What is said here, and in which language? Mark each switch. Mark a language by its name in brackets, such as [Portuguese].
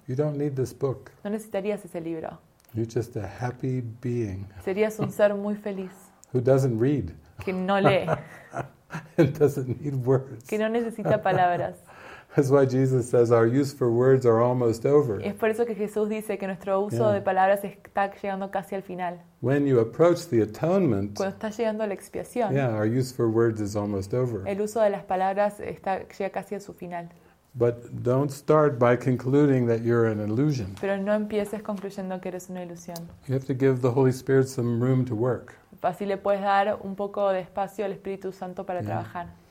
[English] You don't need this book. [Spanish] No necesitarías ese libro. [English] You're just a happy being. [Spanish] Serías un ser muy feliz. [English] Who doesn't read? [Spanish] Que no lee. [English] And doesn't need words. [Spanish] Que no necesita palabras. [English] That's why Jesus says our use for words are almost over. [Spanish] Es por eso que Jesús dice que nuestro uso de palabras está llegando casi al final. [English] When you approach the atonement, [Spanish] cuando está llegando la expiación, [English] our use for words is almost over. [Spanish] El uso de las palabras está llega casi a su final. [English] But don't start by concluding that you're an illusion. [Spanish] Pero no empieces concluyendo que eres una ilusión. [English] You have to give the Holy Spirit some room to work. [Spanish] Así le puedes dar un poco de espacio al Espíritu Santo para trabajar.